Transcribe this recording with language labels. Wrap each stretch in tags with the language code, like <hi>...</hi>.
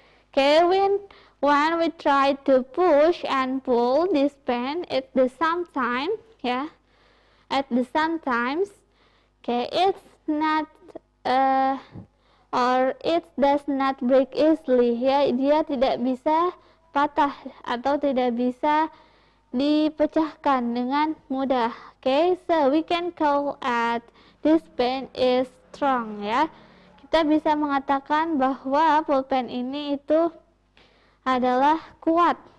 <en>Okay, when we try to push and pull this pen at the same time, yeah, at the same times, okay, it's not Or it does not break easily.</en> <id>Ya, dia tidak bisa patah atau tidak bisa dipecahkan dengan mudah.</id> <en>Okay, so we can call at this pen is strong.</en> <id>Ya, kita bisa mengatakan bahwa pulpen ini itu adalah kuat.</id>